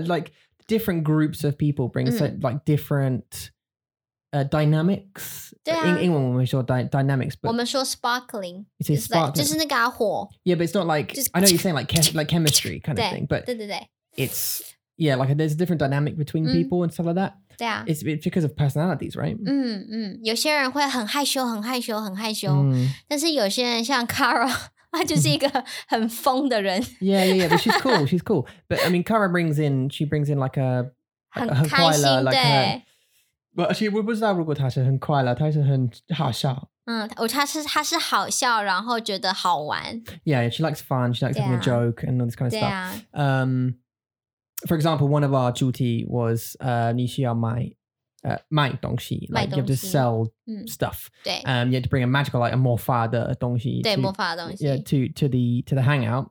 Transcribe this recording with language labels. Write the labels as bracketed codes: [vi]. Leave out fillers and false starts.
[en] Like different groups of people bring like different dynamics. [zh] 对啊。英文我们说 dynamics, but 我们说 sparkling. [en] You say sparkling. [zh] 就是那个火。 [en] Yeah, but it's not like, just, I know you're saying like chemistry kind of thing, but [zh] 对。 [en] It's, yeah, like there's a different dynamic between people and stuff like that. [zh] 对啊。 [en] It's because of personalities, right? [zh] 有些人会很害羞很害羞很害羞。但是有些人像 Carol,她就是一个很疯的人。 [en] Yeah, but she's cool, she's cool. But, I mean, Kara brings in like a... [zh] 很开心,对。 [en] But actually, [zh] 我不知道如果她是很快乐,她是很好笑。她是好笑,然后觉得好玩。 [en] Yeah, she likes fun, she likes having a joke and all this kind of stuff. For example, one of our 主题 was, [zh] 你需要买。卖东西, [en] like you have to sell stuff. You have to bring a magical, like a 魔法的东西, [zh] 对, 魔法的东西, [en] to the hangout.